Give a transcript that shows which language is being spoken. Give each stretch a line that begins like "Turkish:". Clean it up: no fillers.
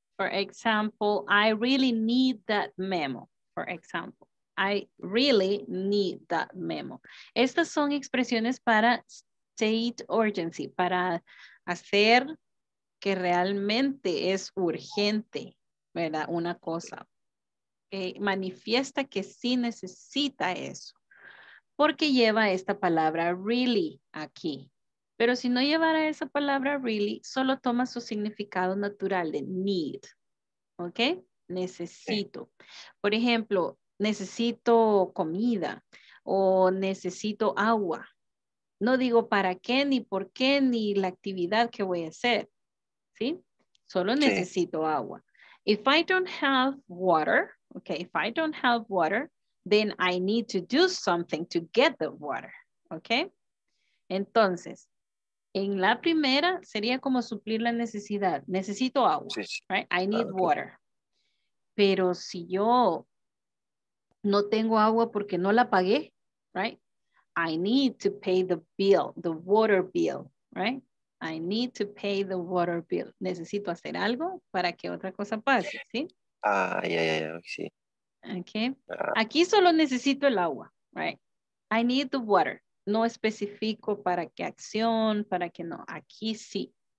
English: For example, I really need that memo, for example. I really need that memo.
Spanish: Estas son expresiones para state urgency, para hacer que realmente es urgente, ¿verdad? Una cosa. Manifiesta que sí necesita eso. Porque lleva esta palabra really aquí. Pero si no llevara esa palabra really, solo toma su significado natural de need. ¿Ok? Necesito. Por ejemplo, necesito comida o necesito agua. No digo para qué, ni por qué, ni la actividad que voy a hacer. ¿Sí? Solo necesito agua.
English: If I don't have water, okay, if I don't have water, then I need to do something to get the water. Okay?
Spanish: Entonces, en la primera sería como suplir la necesidad. Necesito agua. Right?
English: I need water.
Spanish: Pero si yo no tengo agua porque no la pagué, right?
English: I need to pay the bill, the water bill, right? I need to pay the water bill.
Spanish: Necesito hacer algo para que otra cosa pase, ¿sí? Ah, ya, ya, ya, sí. Okay. Aquí solo necesito el agua, right?
English: I need the water.
Spanish: No especifico para qué acción, para qué no. Aquí sí.